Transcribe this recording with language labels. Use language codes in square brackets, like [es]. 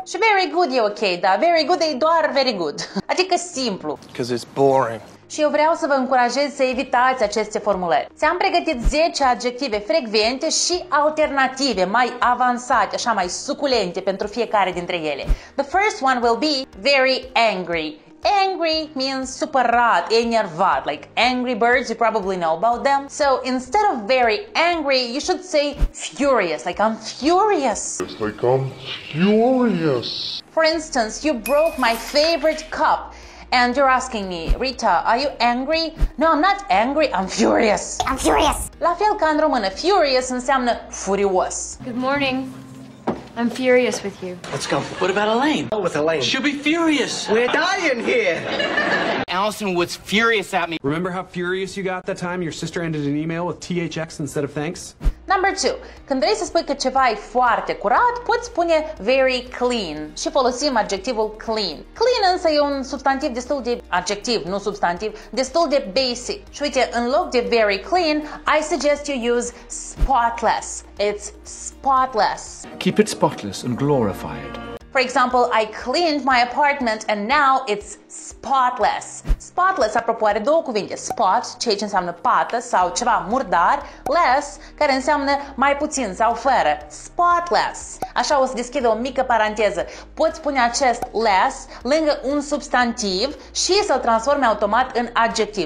[ro] Și very good e ok, dar very good e doar very good. Adică simplu. [en] Because it's boring. [ro] Și eu vreau să vă încurajez să evitați aceste formulări. Ți-am pregătit 10 adjective frecvente și alternative, mai avansate, așa mai suculente pentru fiecare dintre ele. [en] The first one will be very angry. Angry means supărat, enervat, like angry birds, you probably know about them. So instead of very angry, you should say furious, like I'm furious. It's like I'm furious. For instance, you broke my favorite cup. And you're asking me, Rita, are you angry? No, I'm not angry, I'm furious. I'm furious. [ro] La fel ca în română, furious înseamnă furios. [en] Good morning. I'm furious with you. Let's go. What about Elaine? Oh, with Elaine. She'll be furious. We're dying here. Allison was furious at me. Remember how furious you got that time your sister ended an email with THX instead of thanks? Number two. [ro] Când vrei să spui că ceva e foarte curat, poți spune very clean. Și folosim adjectivul clean. Clean însă e un substantiv destul de... adjectiv, nu substantiv, destul de basic. Și uite, în loc de very clean, [en] I suggest you use spotless. It's spotless. Keep it spotless and glorify it. For example, I cleaned my apartment and now it's spotless. [ro] Spotless, apropo, are două cuvinte. Spot, ceea ce înseamnă pată sau ceva murdar. Less, care înseamnă mai puțin sau fără. Spotless. Așa o să deschidă o mică paranteză. Poți pune acest less lângă un substantiv și să-l transforme automat în adjectiv.